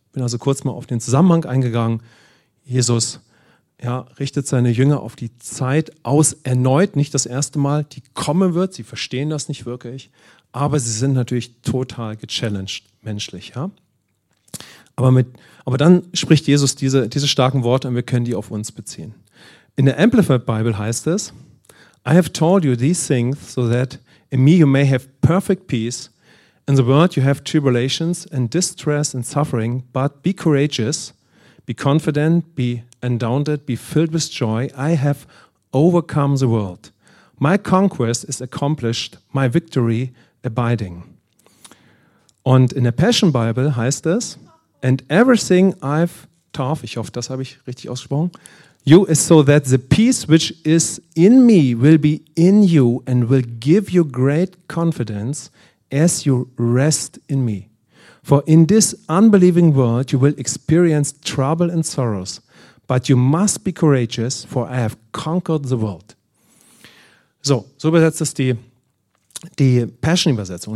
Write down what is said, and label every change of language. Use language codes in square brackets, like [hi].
[de] Ich bin also kurz mal auf den Zusammenhang eingegangen. Jesus, ja, richtet seine Jünger auf die Zeit aus erneut, nicht das erste Mal, die kommen wird. Sie verstehen das nicht wirklich, aber sie sind natürlich total gechallenged menschlich. Ja? Aber dann spricht Jesus diese starken Worte und wir können die auf uns beziehen. In der Amplified Bible heißt es, [en] I have told you these things so that in me you may have perfect peace. In the world you have tribulations and distress and suffering, but be courageous, be confident, be undaunted, be filled with joy. I have overcome the world. My conquest is accomplished, my victory abiding. [de] Und in der Passion Bible heißt es, [en] and everything I've taught, [de] ich hoffe, das habe ich richtig ausgesprochen, [en] you is so that the peace which is in me will be in you and will give you great confidence as you rest in me. For in this unbelieving world you will experience trouble and sorrows, but you must be courageous, for I have conquered the world. [de] So übersetzt es die Passion-Übersetzung.